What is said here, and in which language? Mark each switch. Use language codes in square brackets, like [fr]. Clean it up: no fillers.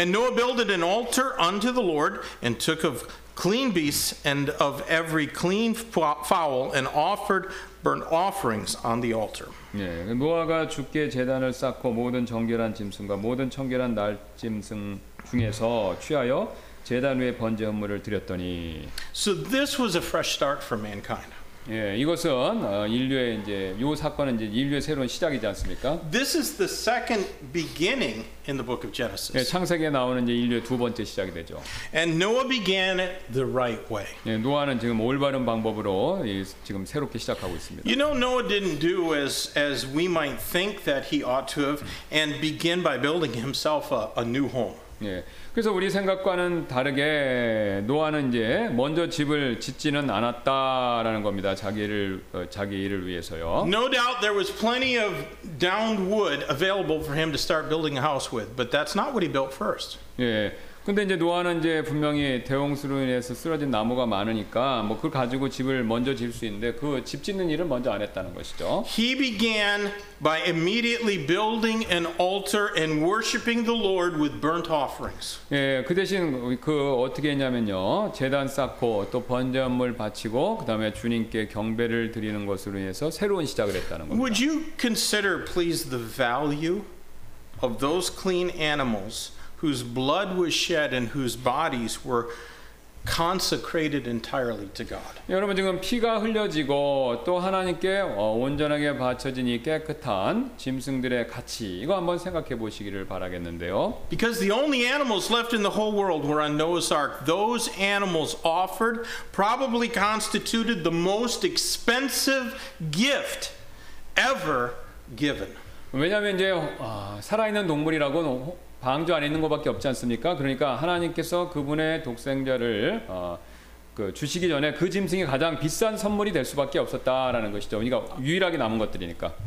[en] And Noah builded an altar unto the Lord and took of clean beasts and of every clean fowl and offered burnt offerings on the altar. [ko] 예, 노아가 주께 제단을 쌓고 모든 정결한 짐승과 모든 청결한 날 짐승 중에서 취하여 제단 위에 번제 헌물을 드렸더니. [en] So this was a fresh start for mankind. [ko] 예, 이것은 인류의 이제 요 사건은 이제 인류의 새로운 시작이지 않습니까? [en] This is the second beginning in the book of Genesis. [ko] 예, 창세기에 나오는 이제 인류의 두 번째 시작이 되죠. [en] And Noah began it the right way. [ko] 예, 노아는 지금 올바른 방법으로 지금 새롭게 시작하고 있습니다. [en] You know, Noah didn't do as we might think that he ought to have and begin by building himself a new home. [ko] 예. 그래서 우리 생각과는 다르게 노아는 이제 먼저 집을 짓지는 않았다라는 겁니다. 자기 일을 위해서요. [en] No doubt there was plenty of downed wood available for him to start building a house with, but that's not what he built first. [ko] 예. 근데 이제 노아는 이제 분명히 대홍수로 인해서 쓰러진 나무가 많으니까 뭐 그걸 가지고 집을 먼저 짓을 수 있는데 그 집 짓는 일을 먼저 안 했다는 것이죠. [en] He began by immediately building an altar and worshiping the Lord with burnt offerings. [ko] 예, 그 대신 그 어떻게 했냐면요. 제단 쌓고 또 번제물 바치고 그다음에 주님께 경배를 드리는 것으로 인해서 새로운 시작을 했다는 겁니다. [en] Would you consider please the value of those clean animals whose blood was shed and whose bodies were consecrated entirely to God. [ko] 여러분 지금 피가 흘려지고 또 하나님께 온전하게 바쳐진 이 깨끗한 짐승들의 가치 이거 한번 생각해 보시기를 바라겠는데요. [en] Because the only animals left in the whole world were on Noah's ark, those animals offered probably constituted the most expensive gift ever given. [ko] 왜냐하면 이제 살아있는 동물이라고는 방주 안에 있는 것밖에 없지 않습니까? 그러니까 하나님께서 그분의 독생자를 그 주시기 전에 그 짐승이 가장 비싼 선물이 될 수밖에 없었다라는 것이죠. 그러니까 유일하게 남은 것들이니까.